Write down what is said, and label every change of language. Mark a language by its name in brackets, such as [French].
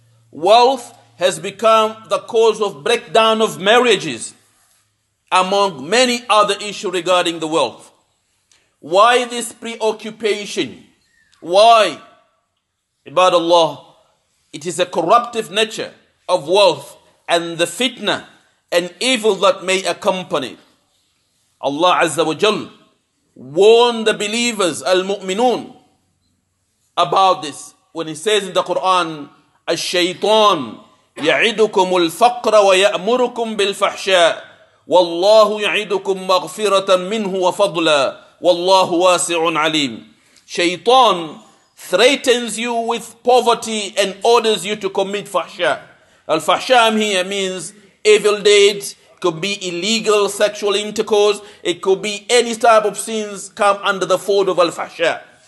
[English] Wealth has become the cause of breakdown of marriages, among many other issues regarding the wealth. Why this preoccupation? Why? Ibad Allah, it is a corruptive nature of wealth and the fitna and evil that may accompany. Allah Azza wa Jal warned the believers, al-mu'minun, about this when he says in the Quran, [Arabic] الشيطان يعدكم الفقر ويأمركم بالفحشاء والله يعدكم مغفرة منه وفضلا والله واسع عليم. [English] Shaytan threatens you with poverty and orders you to commit fahsha. Al-fahsha here means evil deeds. It could be illegal sexual intercourse. It could be any type of sins come under the fold of al-fahsha.